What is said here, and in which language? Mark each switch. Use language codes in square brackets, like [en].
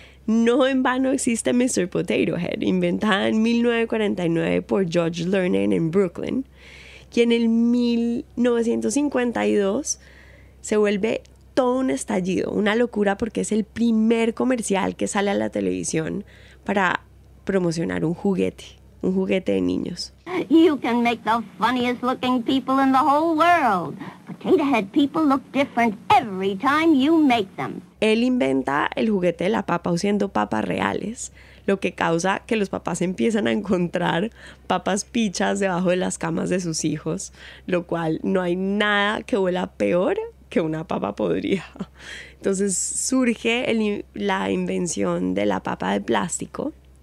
[es] No en vano existe Mr. Potato Head, inventada en 1949 por George Lernen en Brooklyn, quien en 1952 se vuelve todo un estallido, una locura, porque es el primer comercial que sale a la televisión para promocionar un juguete de niños. [en] You can make the funniest looking people in the whole world. Potato Head people look different every time you make them. [es] Él inventa el juguete de la papa usando papas reales, lo que causa que los papás empiezan a encontrar papas pichas debajo de las camas de sus hijos, lo cual no hay nada que huela peor que una papa podrida. Entonces surge la invención de la papa de plástico.